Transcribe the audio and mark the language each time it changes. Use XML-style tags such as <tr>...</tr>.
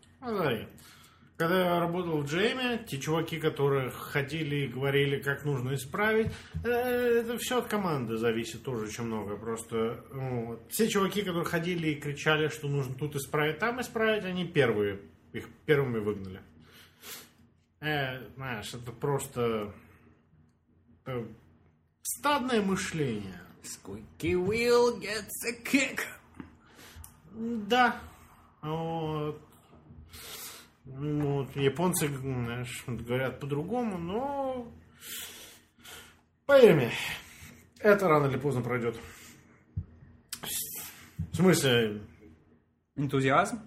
<ru>Смотри, когда я работал в Джейме, те чуваки, которые ходили и говорили, как нужно исправить, это все от команды зависит тоже очень много. Просто вот, все чуваки, которые ходили и кричали, что нужно тут исправить, там исправить, они первые, их первыми выгнали. Знаешь, это просто стадное мышление.</ru> <en>Squeaky wheel gets a kick.</en> <ru>Да. Вот. Ну, вот, японцы, знаешь, говорят по-другому, но поверь мне, это рано или поздно пройдет. В смысле? Энтузиазм?</ru>